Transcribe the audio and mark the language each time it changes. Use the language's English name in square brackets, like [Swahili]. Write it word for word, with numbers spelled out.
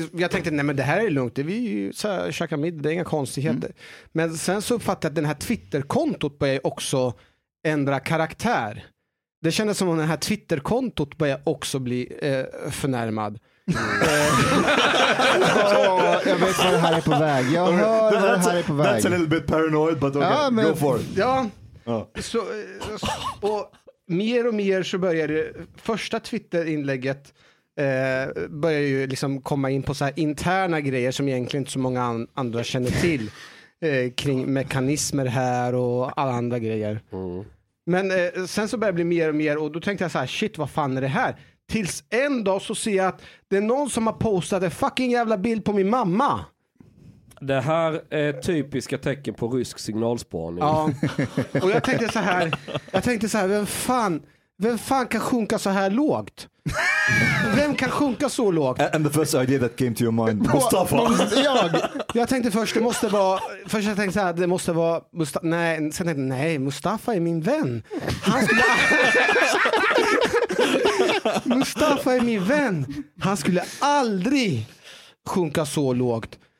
[Swedish] Jag tänkte, nej men det här är lugnt. Det är vi ju käkar middag, det är inga konstigheter. Mm. Men sen så uppfattade jag att den här Twitter-kontot började också ändra karaktär. Det kändes som om den här Twitter-kontot började också bli eh, förnärmad. Mm. oh, jag vet vad det här är på väg. Jag hör vad det här är på väg. [English] That's a little bit paranoid, but okay, [Swedish] ja, men, [English] go for it. [Swedish] Ja, oh. så... Och, mer och mer så börjar det första Twitter-inlägget eh, börjar ju liksom komma in på så här interna grejer som egentligen inte så många an- andra känner till eh, kring mekanismer här och alla andra grejer. Mm. Men eh, sen så börjar det bli mer och mer och då tänkte jag så här, shit vad fan är det här? Tills en dag så ser jag att det är någon som har postat en fucking jävla bild på min mamma. Det här är typiska tecken på rysk signalspaning. Ja. Och jag tänkte så här, jag tänkte så här, vem fan, vem fan kan sjunka så här lågt? Vem kan sjunka så lågt? [English] And the first idea that came to your mind, Mustafa. [Swedish] jag, jag tänkte först det måste vara först jag tänkte så här, det måste vara Mustafa. Nej, sen tänkte jag, nej, Mustafa är min vän. Han skulle Mustafa är min vän. Han skulle aldrig sjunka så lågt.